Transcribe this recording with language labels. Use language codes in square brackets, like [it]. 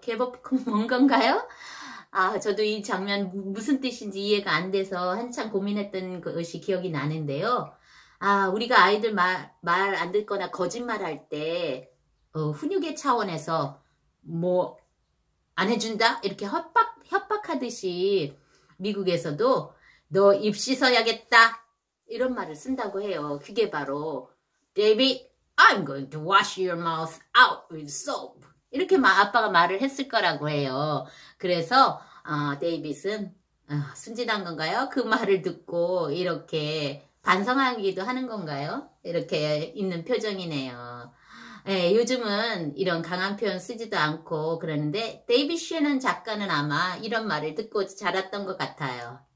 [ko] 개거품 뭔 건가요? 저도 이 장면 무슨 뜻인지 이해가 안 돼서 한참 고민했던 것이 기억이 나는데요. 우리가 아이들 말안 듣거나 거짓말할 때 훈육의 차원에서 뭐안 해준다? 이렇게 협박하듯이 미국에서도 너 입시 서야겠다. 이런 말을 쓴다고 해요. 그게 바로 [en] David, I'm going to wash your mouth out with soap. [ko] 이렇게 아빠가 말을 했을 거라고 해요. 그래서 데이빗은 순진한 건가요? 그 말을 듣고 이렇게 반성하기도 하는 건가요? 이렇게 있는 표정이네요. 예, 요즘은 이런 강한 표현 쓰지도 않고 그러는데 데이빗 셰넌 작가는 아마 이런 말을 듣고 자랐던 것 같아요.